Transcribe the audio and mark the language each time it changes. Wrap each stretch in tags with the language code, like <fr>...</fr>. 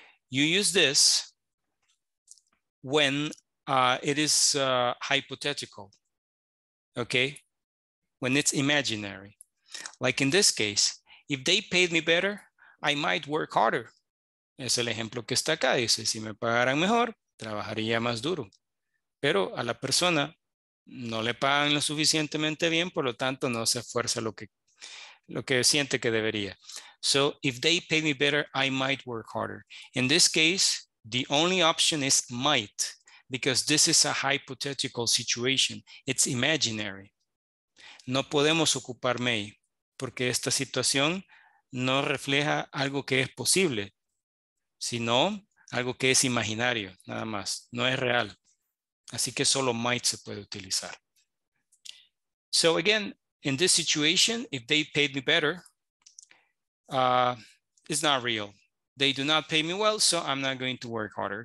<en>You use this when it is hypothetical, okay? When it's imaginary. Like in this case, if they paid me better, I might work harder.</en> <es>Es el ejemplo que está acá. Dice, si me pagaran mejor, trabajaría más duro. Pero a la persona no le pagan lo suficientemente bien, por lo tanto, no se esfuerza lo que siente que debería.</es> <en>So if they paid me better, I might work harder. In this case, the only option is might. Because this is a hypothetical situation. It's imaginary.</en> <es>No podemos ocupar may, porque esta situación no refleja algo que es posible, sino algo que es imaginario, nada más. No es real. Así que solo might se puede utilizar.</es> <en>So again, in this situation, if they paid me better, it's not real. They do not pay me well, so I'm not going to work harder.</en>